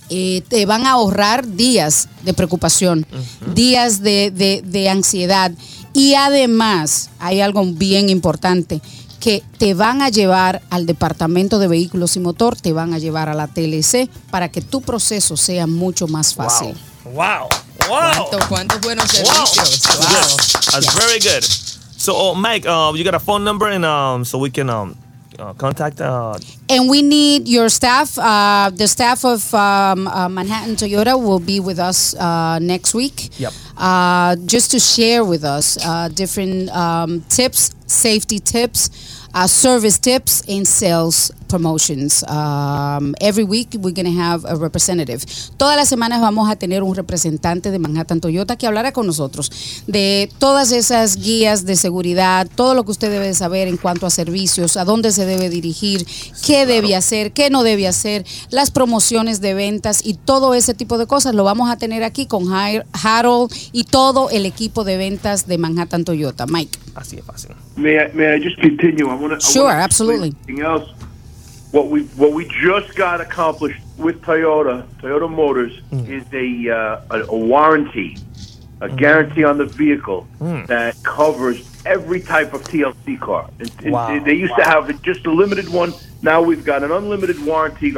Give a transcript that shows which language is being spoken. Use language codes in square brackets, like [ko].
[es] Te van a ahorrar días de preocupación, días de ansiedad. Y además, hay algo bien importante, que te van a llevar al departamento de vehículos y motor, te van a llevar a la TLC para que tu proceso sea mucho más fácil. [en] Wow. Wow. [es] ¿Cuántos buenos servicios? [en] Wow. That's very good. So, Mike, you got a phone number and so we can contact. And we need your staff. The staff of Manhattan Toyota will be with us next week. Yep. Just to share with us different tips, safety tips, service tips, and sales promotions. Every week we're going to have a representative. [es] Todas las semanas vamos a tener un representante de Manhattan Toyota que hablará con nosotros de todas esas guías de seguridad, todo lo que usted debe saber en cuanto a servicios, a dónde se debe dirigir, qué debe hacer, qué no debe hacer, las promociones de ventas y todo ese tipo de cosas lo vamos a tener aquí con Harold y todo el equipo de ventas de Manhattan Toyota. Mike. Así de fácil. [en] May I just continue? I wanna absolutely. Anything else? What we just got accomplished with Toyota Motors is a warranty, a guarantee on the vehicle that covers every type of TLC car. They used to have just a limited one. Now we've got an unlimited warranty.